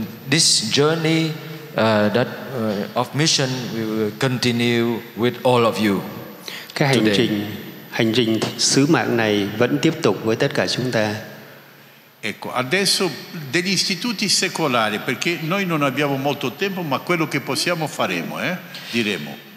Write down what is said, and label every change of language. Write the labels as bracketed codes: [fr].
[en] This journey of mission will continue with all of you. [vi] Cái hành trình sứ mạng này vẫn tiếp tục với tất cả chúng ta. [it] Ecco, adesso degli istituti secolari, perché noi non abbiamo molto tempo, ma quello che possiamo faremo, diremo.